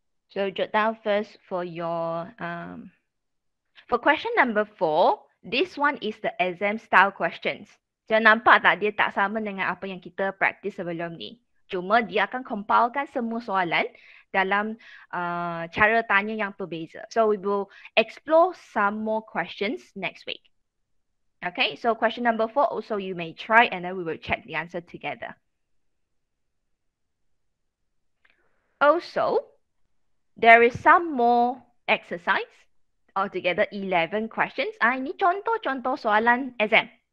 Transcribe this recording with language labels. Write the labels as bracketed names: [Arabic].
[English] So jot down first for your... For question number 4, this one is the exam style questions. [Malay] So, nampak tak dia tak sama dengan apa yang kita practice sebelum ni? Cuma dia akan compilekan semua soalan dalam cara tanya yang berbeza. [English] So, we will explore some more questions next week. Okay, so question number 4 also you may try and then we will check the answer together. Also, there is some more exercise. Altogether 11 questions. [Malay] Ini contoh-contoh soalan exam.